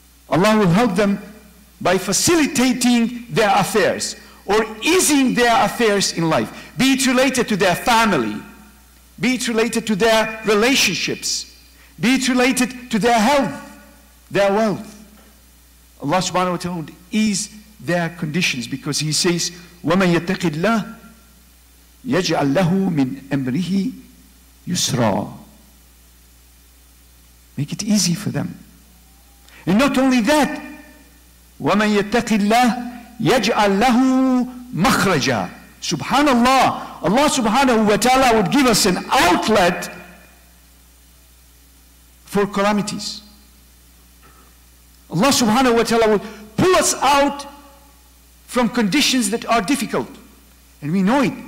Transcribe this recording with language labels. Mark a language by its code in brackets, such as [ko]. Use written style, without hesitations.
[en] Allah will help them by facilitating their affairs or easing their affairs in life, be it related to their family, be it related to their relationships, be it related to their health, their wealth. Allah subhanahu wa ta'ala would ease their conditions, because he says, [ar] وَمَنْ يَتَّقِ اللَّهِ يَجْعَلْ لَهُ مِنْ أَمْرِهِ يُسْرًا. [en] Make it easy for them. And not only that, [ar] وَمَنْ يَتَّقِ اللَّهِ يَجْعَلْ لَهُ مَخْرَجًا. [en] Subhanallah, Allah subhanahu wa ta'ala would give us an outlet for calamities. Allah subhanahu wa ta'ala would pull us out from conditions that are difficult. And we know it.